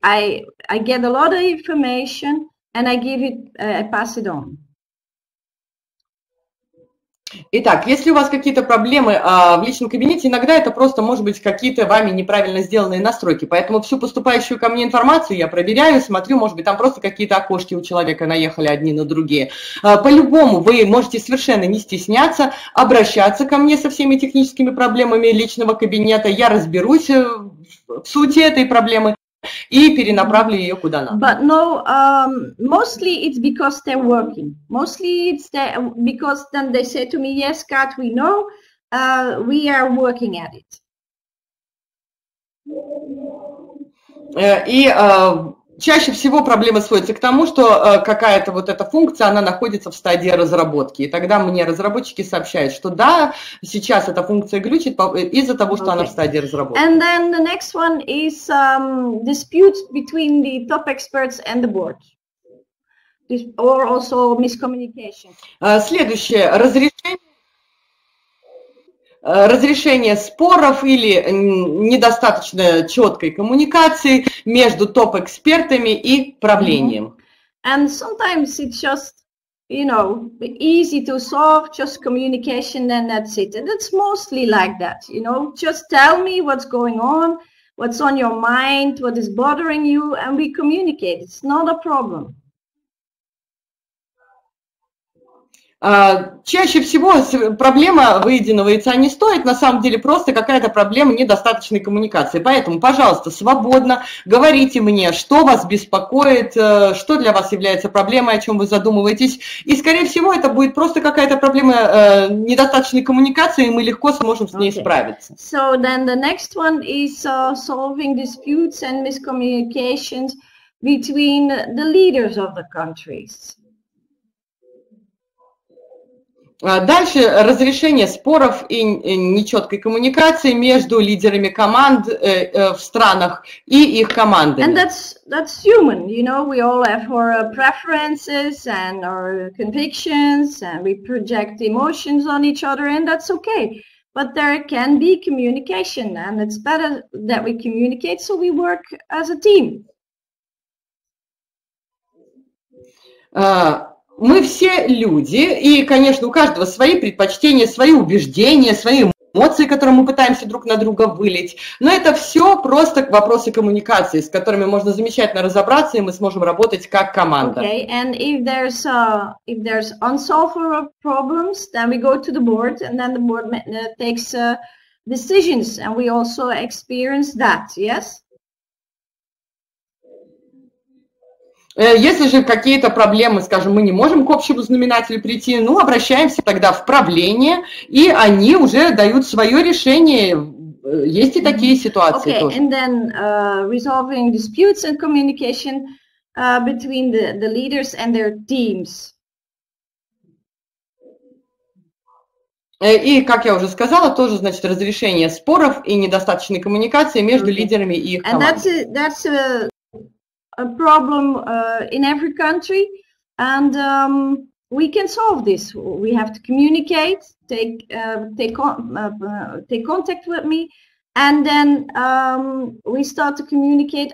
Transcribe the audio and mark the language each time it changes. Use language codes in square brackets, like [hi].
[en] I get a lot of information, and I give it. I pass it on. [ru] Итак, если у вас какие-то проблемы в личном кабинете, иногда это просто, может быть, какие-то вами неправильно сделанные настройки. Поэтому всю поступающую ко мне информацию я проверяю, смотрю, может быть, там просто какие-то окошки у человека наехали одни на другие. По-любому вы можете совершенно не стесняться обращаться ко мне со всеми техническими проблемами личного кабинета. Я разберусь в сути этой проблемы и перенаправлю ее куда надо. [en] But no, mostly it's because they're working. Mostly it's because then they say to me, yes, Kat, we know, we are working at it. [ru] И чаще всего проблема сводится к тому, что какая-то вот эта функция, она находится в стадии разработки. И тогда мне разработчики сообщают, что да, сейчас эта функция глючит из-за того, что она в стадии разработки. [en] And then the next one is disputes between the top experts and the board. Or also miscommunication. [ru] Следующее. Разрешение споров или недостаточно четкой коммуникации между топ-экспертами и правлением. [en] And sometimes it's just, you know, easy to solve, just communication and that's it. And it's mostly like that, you know, just tell me what's going on, what's on your mind, what is bothering you, and we communicate. It's not a problem. [ru] Чаще всего проблема выеденного яйца не стоит, на самом деле просто какая-то проблема недостаточной коммуникации. Поэтому, пожалуйста, свободно говорите мне, что вас беспокоит, что для вас является проблемой, о чем вы задумываетесь. И, скорее всего, это будет просто какая-то проблема недостаточной коммуникации, и мы легко сможем с ней справиться. [en] So then the next one is solving disputes and miscommunications between the leaders of the countries. [ru] Дальше разрешение споров и нечеткой коммуникации между лидерами команд в странах и их командами. [en] And that's human, you know, we all have our preferences and our convictions, and we project emotions on each other, and that's okay. But there can be communication, and it's better that we communicate so we work as a team. [ru] Мы все люди, и, конечно, у каждого свои предпочтения, свои убеждения, свои эмоции, которые мы пытаемся друг на друга вылить. Но это все просто вопросы коммуникации, с которыми можно замечательно разобраться, и мы сможем работать как команда. [en] Okay, and if there's unsolved problems, then we go to the board, and then the board takes decisions, and we also experience that, yes? [ru] Если же какие-то проблемы, скажем, мы не можем к общему знаменателю прийти, ну, обращаемся тогда в правление, и они уже дают свое решение. Есть и такие ситуации [en] okay, [ru] тоже. [en] And then resolving disputes and communication between the leaders and their teams. [ru] И, как я уже сказала, тоже, значит, разрешение споров и недостаточной коммуникации между лидерами и их командой. [en] And that's a problem in every country, and we can solve this. We have to communicate, take contact with me, and then we start to communicate.